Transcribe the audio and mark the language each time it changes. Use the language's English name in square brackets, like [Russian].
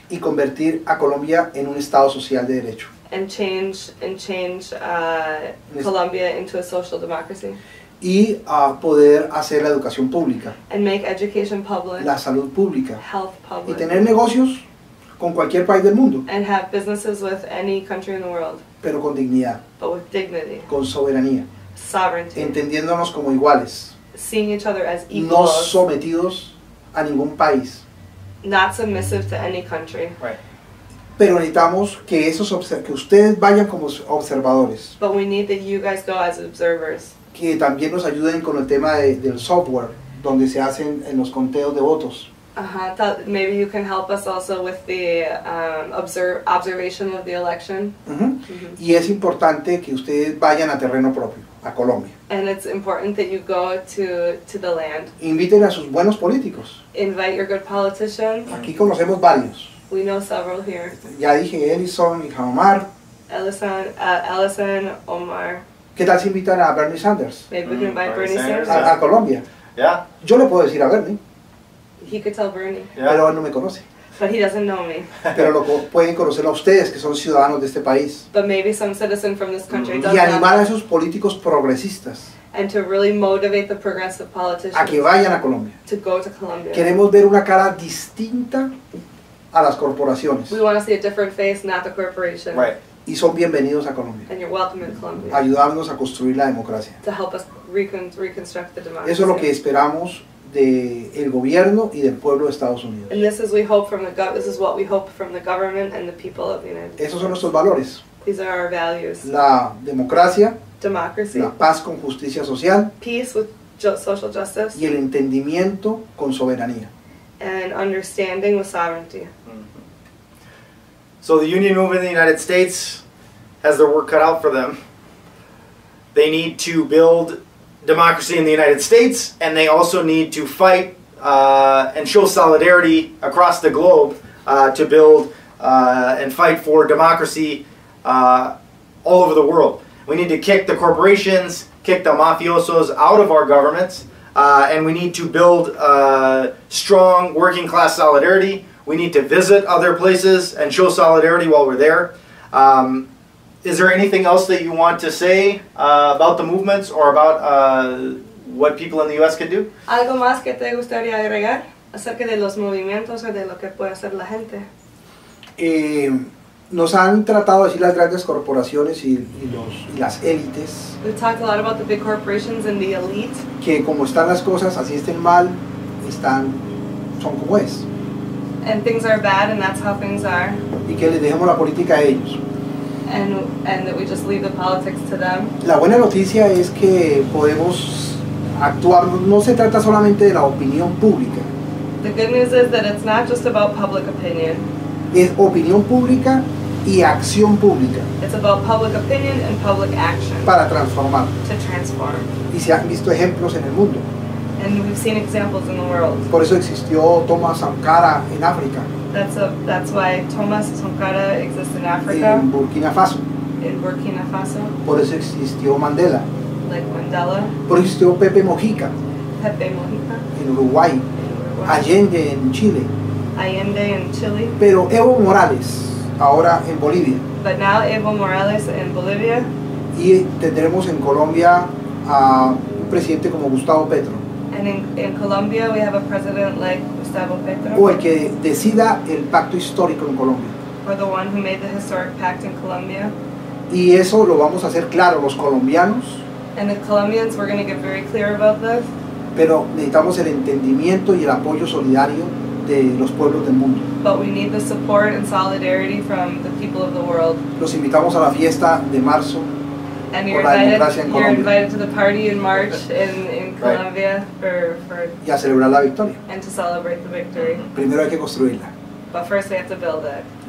[Spanish] Y convertir a Colombia en un Estado social de derecho. [English] And change Colombia into a social democracy. [Spanish] Y poder hacer la educación pública. [English] And make education public. [Spanish] La salud pública. [English] Health public. [Spanish] Y tener negocios con cualquier país del mundo. [English] And have businesses with any country in the world. [Spanish] Pero con dignidad. [English] But with dignity. [Spanish] Con soberanía. [English] Sovereignty. [Spanish] Entendiéndonos como iguales. [English] Seeing each other as equals. [Spanish] No sometidos a ningún país. [English] Not submissive to any country. Right. [Spanish] Pero necesitamos que esos que ustedes vayan como observadores. [English] But we need that you guys go as observers. [Spanish] Que también nos ayuden con el tema del software, donde se hacen en los conteos de votos. [English] Maybe you can help us also with the observation of the election. [Spanish] Uh-huh. Mm-hmm. Y es importante que ustedes vayan a terreno propio, a Colombia. [English] And it's important that you go to the land. [Spanish] Inviten a sus buenos políticos. [English] Invite your good politicians. [Spanish] Aquí conocemos varios. [English] We know several here. [Spanish] Ya dije Ellison y Omar. [English] Ellison, Omar. [Spanish] ¿Qué tal si invitan a Bernie Sanders? [English] Maybe we can invite Bernie Sanders. [Spanish] A Colombia. [English] Yeah. [Spanish] Yo le puedo decir a Bernie. [English] He could tell Bernie. Yeah. [Spanish] Pero él no me conoce. [English] But he doesn't know me. [Spanish] Pero lo pueden conocer a ustedes, que son ciudadanos de este país. [English] But maybe some citizen from this country [Spanish] Y animar a esos políticos progresistas. [English] And to really motivate the progressive politicians. [Spanish] A que vayan a Colombia. [English] To go to Colombia. [Spanish] Queremos ver una cara distinta a las corporaciones. [English] We want to see a different face, not the corporation. Right. [Spanish] Y son bienvenidos a Colombia. [English] And you're welcome in Colombia. [Spanish] Ayudarnos a construir la democracia. [English] To help us reconstruct the democracy. [Spanish] Eso es lo que esperamos del gobierno y del pueblo de Estados Unidos. [English] And this is we hope from the this is what we hope from the government and the people of the United States. [Spanish] Esos son nuestros valores. [English] These are our values. [Spanish] La democracia. [English] Democracy. [Spanish] La paz con justicia social. [English] Peace with social justice. [Spanish] Y el entendimiento con soberanía. [English] And understanding with sovereignty. Mm-hmm. So the union movement in the United States has their work cut out for them. They need to build democracy in the United States, and they also need to fight and show solidarity across the globe to build and fight for democracy all over the world. We need to kick the corporations, kick the mafiosos out of our governments, and we need to build strong working class solidarity. We need to visit other places and show solidarity while we're there. Is there anything else that you want to say about the movements or about what people in the U.S. can do? [Spanish] ¿Algo más que te gustaría agregar acerca de los movimientos o de lo que puede hacer la gente? Nos han tratado de decir las grandes corporaciones y las élites. [English] We've talked a lot about the big corporations and the elite. [Spanish] Que como están las cosas, así estén mal, son como es. [English] And things are bad and that's how things are. [Spanish] Y que les dejemos la política a ellos. [English] And that we just leave the politics to them. [Spanish] La buena noticia es que podemos actuar. No se trata solamente de la opinión pública. [English] The good news is that it's not just about public opinion. [Spanish] Es opinión pública y acción pública. [English] It's about public opinion and public action. [Spanish] Para transformar. [English] To transform. [Spanish] Y se han visto ejemplos en el mundo. [English] And we've seen examples in the world. [Spanish] Por eso existió Thomas Sankara en África. [English] That's why Thomas Sankara exists in Africa. [Spanish] En Burkina Faso. [English] In Burkina Faso. [Spanish] Por eso existió Mandela. [English] Like Mandela. [Spanish] Por eso existió Pepe Mujica. [English] Pepe Mujica. [Spanish] En Uruguay. [English] In Uruguay. [Spanish] Allende en Chile. [English] Allende in Chile. [Spanish] Pero Evo Morales, ahora en Bolivia. [English] But now Evo Morales in Bolivia. [Spanish] Y tendremos en Colombia a un presidente como Gustavo Petro. [English] And in Colombia we have a president like Gustavo Petro. [Spanish] O el que decida el pacto histórico en Colombia. [English] Or the one who made the historic pact in Colombia. [Spanish] Y eso lo vamos a hacer claro, los colombianos. [English] And the Colombians, we're going to get very clear about this. [Spanish] Pero necesitamos el entendimiento y el apoyo solidario de los pueblos del mundo. [English] But we need the support and solidarity from the people of the world. [Spanish] Los invitamos a la fiesta de marzo. [English] And you're invited to the party in March in Colombia. Colombia for [Spanish] y a celebrar la victoria. [English] And to celebrate the victory. [Spanish] Primero hay que construirla. [English] But first we have to build it.